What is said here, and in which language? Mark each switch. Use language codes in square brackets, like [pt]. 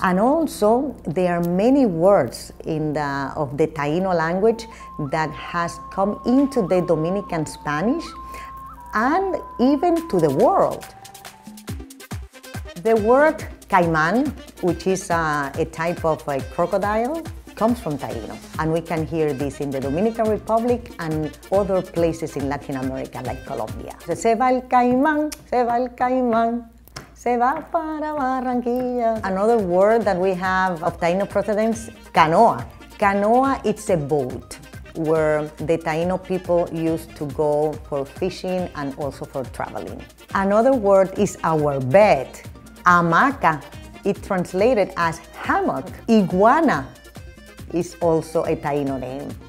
[en] And also, there are many words of the Taino language that has come into the Dominican Spanish and even to the world. The word caiman, which is a type of a crocodile, comes from Taino. And we can hear this in the Dominican Republic and other places in Latin America, like Colombia. [es] Se va el caimán, se va el caimán, se va para Barranquilla. [en] Another word that we have of Taino precedence, canoa. Canoa, it's a boat where the Taino people used to go for fishing and also for traveling. Another word is our bed, hamaca. It translated as hammock. Iguana is also a Taino name.